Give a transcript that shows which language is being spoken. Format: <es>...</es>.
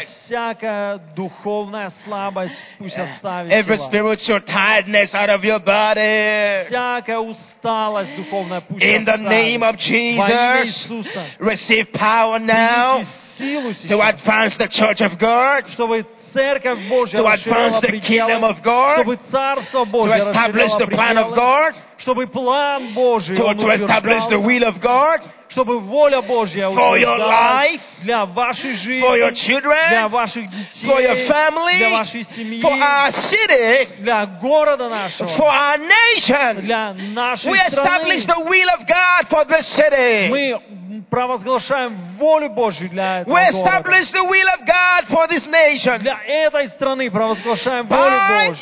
<ru>Всякая духовная слабость пусть оставит его.</ru> <en>Every spiritual tiredness out of your body.</en> <ru>Всякая усталость духовная пусть оставит.</ru> <en>In the name of Jesus, receive power now to advance the church of God,</en> <ru>чтобы церковь Божья</ru> <en>to advance the kingdom of God,</en> <ru>чтобы царство Божье</ru> <en>to establish the plan of God,</en> <ru>чтобы план Божий</ru> <en>to establish the will of God,</en> <ru>чтобы воля Божья утверждалась для вашей жизни,</ru> <en>for your children,</en> <ru>для ваших детей,</ru> <en>for your family,</en> <ru>для вашей семьи,</ru> <en>for our city,</en> <ru>для города нашего,</ru> <en>for our nation,</en> <ru>для нашей</ru> <en>we</en> <ru>страны.</ru> <en>We establish the will of God for this city.</en> <ru>Мы провозглашаем волю Божью для этого города.</ru> <en>We establish the will of God for this nation.</en> <ru>Для этой страны провозглашаем волю Божью.</ru>